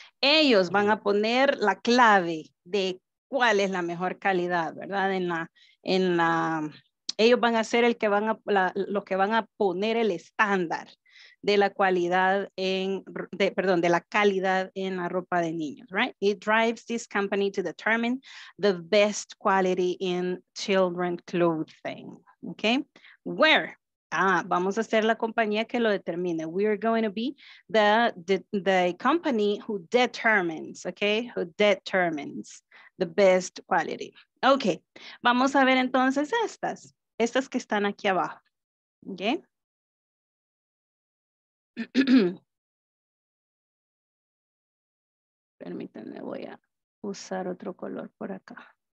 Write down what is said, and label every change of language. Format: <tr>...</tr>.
<es>Ellos van a poner la clave de cuál es la mejor calidad, ¿verdad? En la ellos van a ser el que van a los que van a poner el estándar de la cualidad en, de, perdón, de la calidad en la ropa de niños, right?</es> <en>It drives this company to determine the best quality in children clothing, okay? Where?</en> <es>Ah, vamos a ser la compañía que lo determine.</es> <en>We are going to be the company who determines, okay? Who determines the best quality.</en> <es>Okay, vamos a ver entonces estas que están aquí abajo, okay? Permítanme, voy a usar otro color por acá.</es>